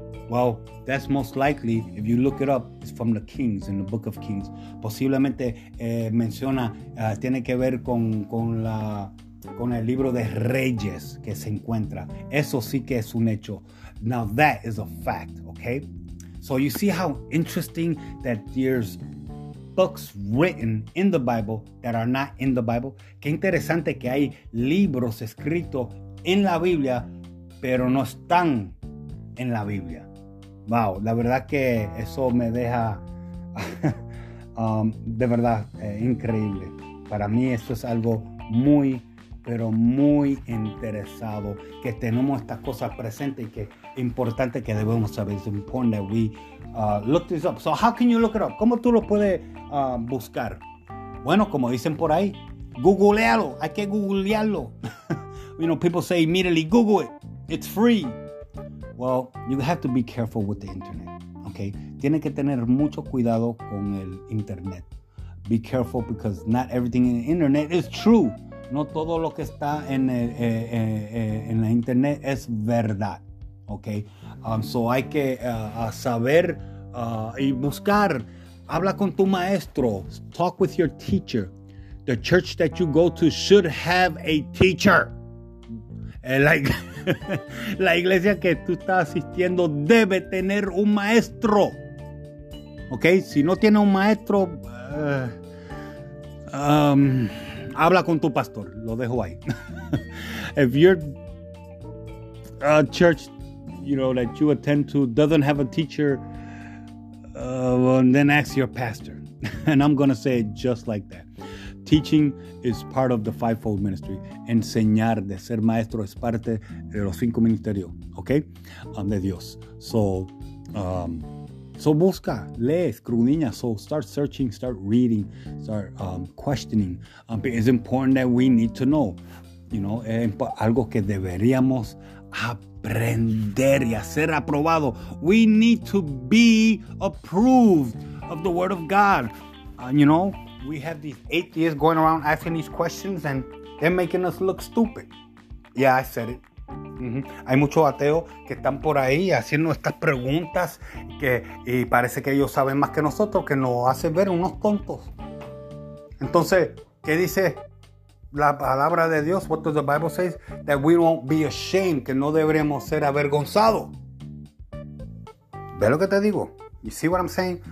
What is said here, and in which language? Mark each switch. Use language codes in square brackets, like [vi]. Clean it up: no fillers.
[en] Well, that's most likely, if you look it up, it's from the Kings, in the Book of Kings. [es] Posiblemente menciona, tiene que ver con el libro de Reyes que se encuentra. Eso sí que es un hecho. [en] Now that is a fact, okay? So you see how interesting that there's books written in the Bible that are not in the Bible? [es] Qué interesante que hay libros escritos en la Biblia, pero no están en la Biblia. Wow, la verdad que eso me deja de verdad increíble. Para mí eso es algo muy, pero muy interesado. Que tenemos estas cosas presentes y que importante que debemos saber. [en] It's important that we look this up. So how can you look it up? [es] ¿Cómo tú lo puedes buscar? Bueno, como dicen por ahí, googlealo. Hay que googlearlo. [en] You know, people say immediately, Google it. It's free. Well, you have to be careful with the internet, okay? [es] Tiene que tener mucho cuidado con el internet. Be careful because not everything in the internet is true. No todo lo que está en la internet es verdad, okay? So hay que saber y buscar. Habla con tu maestro. [en] Talk with your teacher. The church that you go to should have a teacher. [es] Like, la iglesia que tú estás asistiendo debe tener un maestro. Ok, si no tiene un maestro, habla con tu pastor. Lo dejo ahí. [en] If your church, you know, that you attend to doesn't have a teacher, well, then ask your pastor. And I'm going to say it just like that. Teaching is part of the fivefold ministry. [es] Enseñar de ser maestro es parte de los cinco ministerios, okay? De Dios. So, busca, lee, escudriña. [en] So, start searching, start reading, start questioning. It's important that we need to know, you know, [es] algo que deberíamos aprender y hacer aprobado. [en] We need to be approved of the Word of God, you know? We have these atheists going around asking these questions and they're making us look stupid. Yeah, I said it. [es] Hay muchos ateos que están por ahí haciendo estas preguntas que, y parece que ellos saben más que nosotros, que nos hacen ver unos tontos. Entonces, ¿qué dice la palabra de Dios? [en] What does the Bible say? That we won't be ashamed, [es] que no deberemos ser avergonzados. ¿Ves lo que te digo? [en] You see what I'm saying?